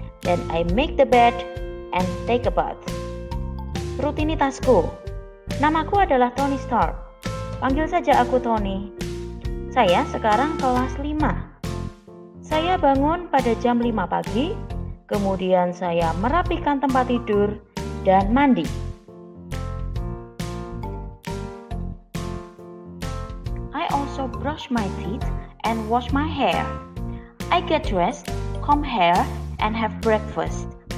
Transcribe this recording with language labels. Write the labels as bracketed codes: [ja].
[en] Then I make the bed and take a bath. [id] Rutinitasku. Namaku adalah Tony Stark. Panggil saja aku Tony. Saya sekarang kelas 5. Saya bangun pada jam 5 pagi, kemudian saya merapikan tempat tidur dan mandi. [en] I also brush my teeth and wash my hair. I get dressed, comb hair, and have breakfast.